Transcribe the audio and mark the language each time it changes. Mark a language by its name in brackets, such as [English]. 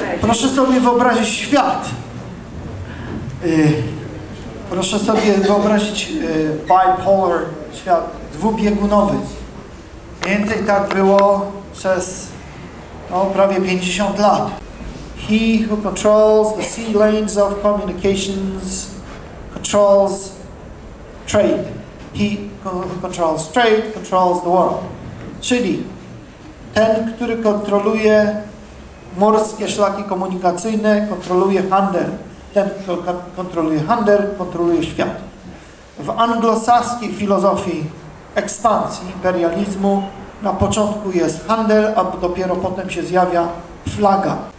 [Polish] Proszę sobie wyobrazić świat. Proszę sobie wyobrazić bipolar, świat dwubiegunowy. Mniej więcej tak było przez prawie 50 lat. [English] He who controls the sea lanes of communications controls trade. He who controls trade controls the world. [Polish] Czyli ten, który kontroluje morskie szlaki komunikacyjne, kontroluje handel. Ten, kto kontroluje handel, kontroluje świat. W anglosaskiej filozofii ekspansji, imperializmu, na początku jest handel, a dopiero potem się zjawia flaga.